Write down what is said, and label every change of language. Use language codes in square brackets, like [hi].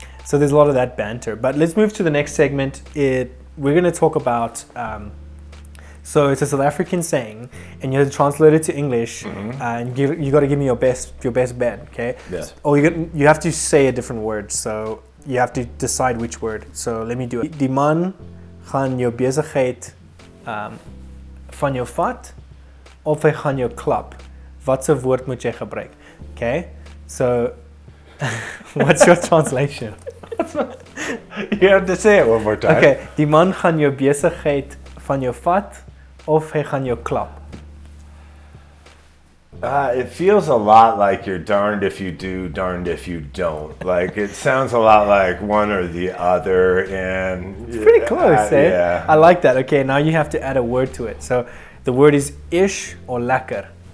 [en] So there's a lot of that banter. But let's move to the next segment. We're going to talk about, so it's a South African saying, and you have to translate it to English. Mm-hmm. And you got to give me your best bet, okay? Yes. Or you have to say a different word, so you have to decide which word. So let me do it. [af] Die man gaan jou besigheid van jou vat of hy gaan jou klap. Wat se woord moet jy gebruik? Okay? [en] So what's your translation? You have to say it one more time. Okay. [af] Die man gaan jou besigheid van jou vat of hy gaan jou klap. [en] It feels a lot like you're darned if you do, darned if you don't. Like, it sounds a lot like one or the other, and it's pretty close, eh? Yeah. I like that. Okay, now you have to add a word to it. So, the word is ish or lekker?